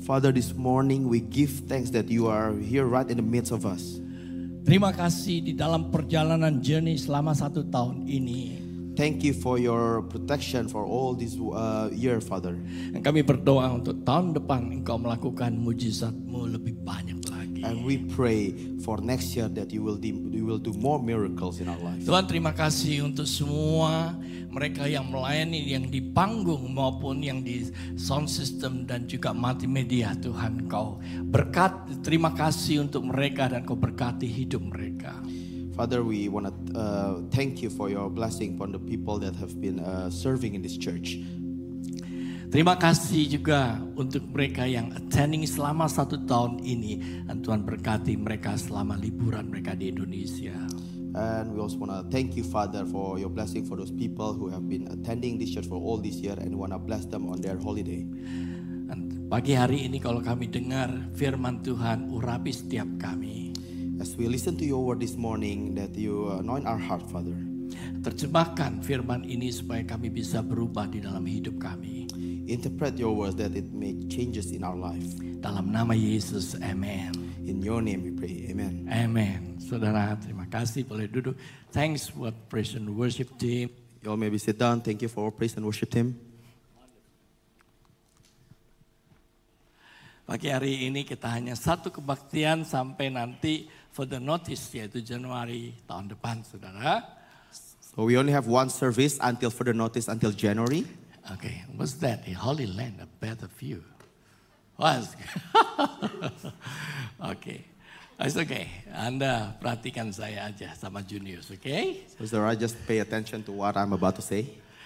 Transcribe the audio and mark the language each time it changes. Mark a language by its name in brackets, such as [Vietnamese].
[English] Father, this morning we give thanks that you are here right in the midst of us. [Indonesian] Terima kasih di dalam perjalanan journey selama satu tahun ini. [English] Thank you for your protection for all this year, Father. [Indonesian] And kami berdoa untuk tahun depan Engkau melakukan mujizat-Mu lebih banyak lagi. [English] And we pray for next year that you will do more miracles in our life. [Indonesian] Tuhan, terima kasih untuk semua mereka yang melayani yang di panggung maupun yang di sound system dan juga multimedia. Tuhan, Engkau berkat, terima kasih untuk mereka dan Engkau berkati hidup mereka. [English] Father, we want to thank you for your blessing upon the people that have been serving in this church. [Indonesian] Terima kasih juga untuk mereka yang attending selama satu tahun ini. Dan Tuhan berkati mereka selama liburan mereka di Indonesia. [English] And we also want to thank you, Father, for your blessing for those people who have been attending this church for all this year and want to bless them on their holiday. [Indonesian] And pagi hari ini kalau kami dengar firman Tuhan, urapi setiap kami. [English] As we listen to your word this morning, that you anoint our heart, Father. [Indonesian] Terjemahkan firman ini supaya kami bisa berubah di dalam hidup kami. [English] Interpret your words that it make changes in our life. [Indonesian] Dalam nama Yesus, amen. [English] In your name we pray, amen. [Indonesian] Amen. Saudara, terima kasih boleh duduk. [English] Thanks for praise and worship team. You all may be sit down. Thank you for our praise and worship team. [Indonesian] Pagi hari ini kita hanya satu kebaktian sampai nanti for the notice, yaitu Januari tahun depan, saudara. [English] So we only have one service until for the notice until January. Okay, what's that? The Holy Land, a better view. What? [Indonesian] Okay, it's okay. Anda perhatikan saya aja sama juniors, okay? [English] So saudara, just pay attention to what I'm about to say.